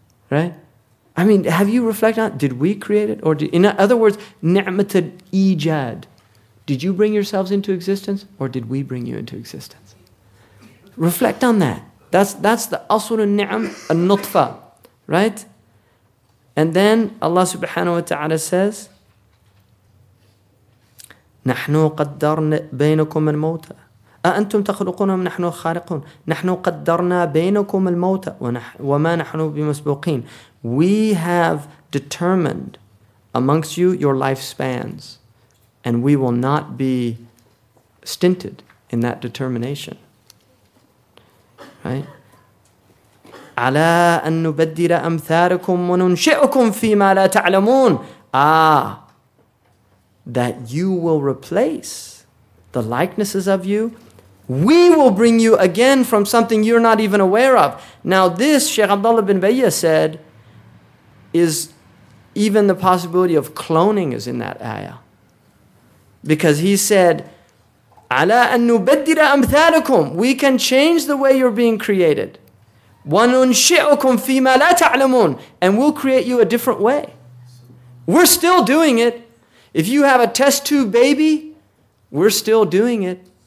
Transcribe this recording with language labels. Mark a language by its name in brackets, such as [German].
[English] Right? I mean, have you reflected on, did we create it? In other words, ni'matul ijad. Did you bring yourselves into existence or did we bring you into existence? Reflect on that. That's the asul al-ni'am al-nutfa, right? [Arabic] And then Allah subhanahu wa ta'ala says, نَحْنُ قَدَّرْنَا بَيْنَكُمَ الْمَوْتَ أَأَنْتُمْ تَخْلُقُونَ نَحْنُ خَالِقُونَ نَحْنُ قَدَّرْنَا بَيْنَكُمَ الْمَوْتَ وَمَا نَحْنُ بِمَسْبُوقِينَ. [English] We have determined amongst you your lifespans, and we will not be stinted in that determination. [Arabic] على أن نبدل أمثالكم وننشئكم فيما لا تعلمون. [English] Ah, that you will replace the likenesses of you. We will bring you again from something you're not even aware of. Now this, Shaykh Abdullah bin Bayya said, is even the possibility of cloning is in that ayah. Because he said, [Arabic] على أن نبدل أمثالكم. [English] We can change the way you're being created. [Arabic] وننشئكم فيما لا تعلمون. [English] And we'll create you a different way. We're still doing it. If you have a test tube baby, we're still doing it.